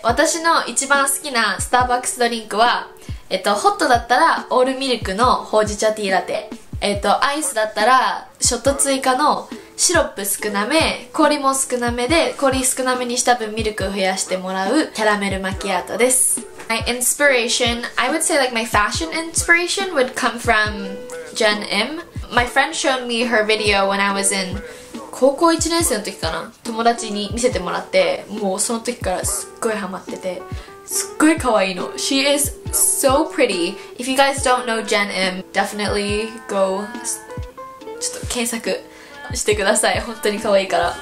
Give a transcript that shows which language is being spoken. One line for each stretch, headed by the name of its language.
Japanese: 私の一番好きなスターバックスドリンクは、ホットだったらオールミルクのほうじ茶ティーラテ、アイスだったらショット追加のシロップ少なめ、氷も少なめで、氷少なめにした分ミルクを増やしてもらうキャラメルマキアートです。
English: My inspiration, I would say like my fashion inspiration would come from Jen Im. My friend showed me her video when I was in
Japanese: 高校1年生の時かな。友達に見せてもらって、もうその時からすっごいハマってて、すっごい可愛いの。
English: She is so pretty. If you guys don't know Jen Im, definitely go
Japanese: ちょっと検索してください。本当に可愛いから。